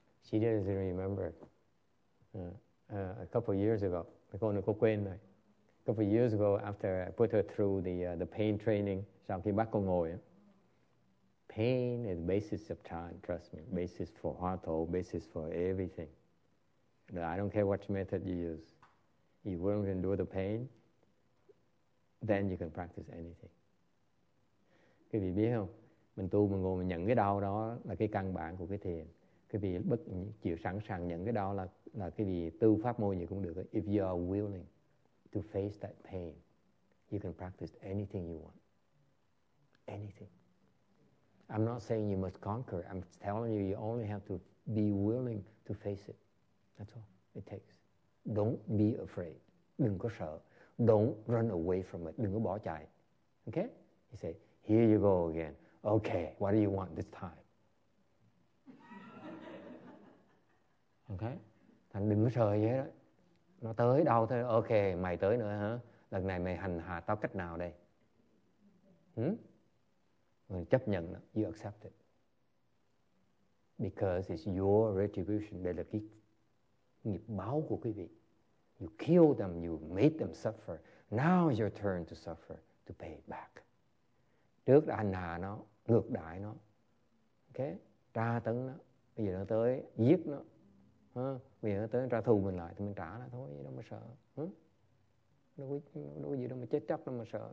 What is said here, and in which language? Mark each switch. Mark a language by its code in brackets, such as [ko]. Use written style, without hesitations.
[en] She doesn't remember. A couple of years ago, A couple of years ago, after I put her through the pain training, [vi] sau khi bác cô ngồi, [en] pain is the basis of time, trust me, basis for hóa độ, basis for everything. I don't care what method you use. You won't endure the pain, then you can practice anything. [vi] Quý vị biết không? Mình tu, mình ngồi, mình nhận cái đau đó là cái căn bản của cái thiền. Quý vị bất chịu sẵn sàng nhận cái đau là cái gì tu pháp môn gì cũng được. [en] If you are willing to face that pain, you can practice anything you want. Anything. I'm not saying you must conquer. I'm telling you, you only have to be willing to face it. That's all it takes. Don't be afraid. [vi] Đừng có sợ. [en] Don't run away from it. [vi] Đừng có bỏ chạy. [en] Okay? He said, here you go again. Okay, what do you want this time? Okay? [vi] Thành đừng có sợ gì hết đó. Nó tới đâu thôi. Ok, mày tới nữa hả? Lần này mày hành hạ tao cách nào đây? Mình chấp nhận nó. [en] You accept it. Because it's your retribution. [vi] Đây là cái nghiệp báo của quý vị. [en] You kill them, you made them suffer. Now your turn to suffer, to pay it back. [vi] Trước đã hành hạ nó, ngược đãi nó. Ok? Tra tấn nó. Bây giờ nó tới, giết nó. Bây giờ nó tới, trả thù mình lại, thì mình trả lại thôi. Vậy đâu mà sợ. Đâu có gì đâu mà chết chắc, đâu mà sợ.